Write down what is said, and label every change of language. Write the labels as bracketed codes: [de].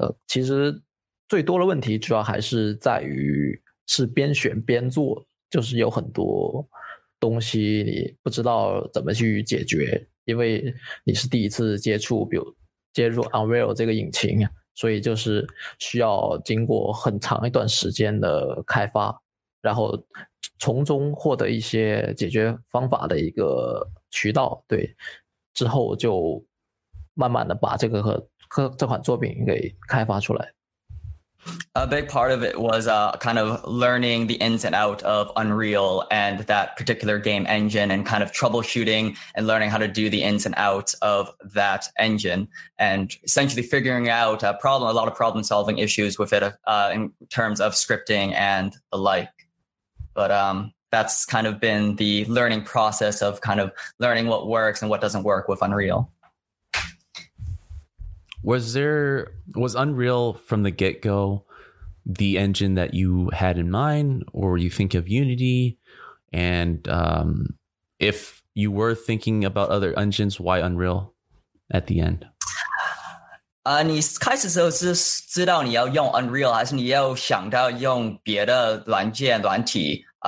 [zh] 其实最多的问题主要还是在于是边选边做，就是有很多东西你不知道怎么去解决，因为你是第一次接触，比如接入 Unreal 这个引擎，所以就是需要经过很长一段时间的开发，然后从中获得一些解决方法的一个渠道。对，之后就慢慢的把这个和这款作品给开发出来。 [en] A big part of it was kind of learning the ins and out of Unreal and that particular game engine and kind of troubleshooting and learning how to do the ins and outs of that engine and essentially figuring out a lot of problem solving issues with it in terms of scripting and the like. But that's kind of been the learning process of kind of learning what works and what doesn't work with Unreal. Was Unreal from the get-go the engine that you had in mind, or you think of Unity? And if you were thinking about other engines, why Unreal at the end? [zh] 你开始的时候是知道你要用 Unreal 还是你要想到用别的软件软体